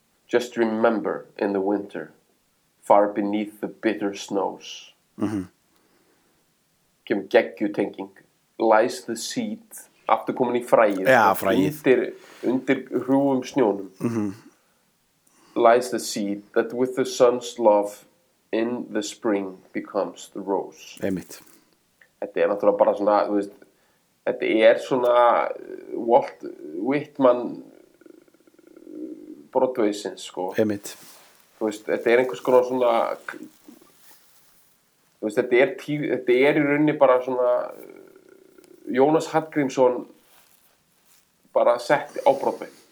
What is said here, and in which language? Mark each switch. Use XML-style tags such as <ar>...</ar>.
<en>Just remember in the winter, far beneath the bitter snows.</en> <is>Kemur geggjú tenging.</is> <en>Lies the seed,</en> <is>aftur komin í fræið. Já, fræið. Undir hrúum snjónum.</is> <en>Lies the seed that with the sun's love In the spring becomes the rose.</en> <is>Einmitt. Þetta náttúrulega bara svona, þú veist, þetta svona Walt Whitman Broadway-sins, sko. Einmitt. Þú veist, þetta einhvers konar svona, þú veist, þetta í raunni bara svona Jónas Hallgrímsson bara sett á Broadway.</is>